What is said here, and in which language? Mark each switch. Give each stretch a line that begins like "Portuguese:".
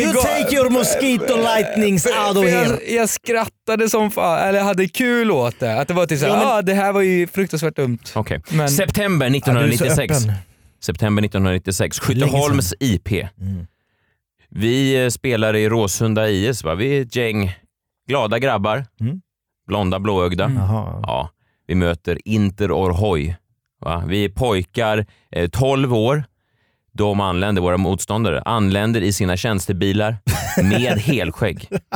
English: You take your mosquito lightnings out of here.
Swedish: Jag skrattade som fan. Eller hade kul åt det. Att det var till såhär, det här var ju fruktansvärt dumt. Okej, okay. September 1996. September 1996, Skytteholms IP. Vi spelar i Råsunda IS, va? Vi är ett gäng glada grabbar, blonda, blåögda. Ja, vi möter Inter Orhoi. Vi är pojkar, 12 år. De anländer, våra motståndare, anländer i sina tjänstebilar med helskägg.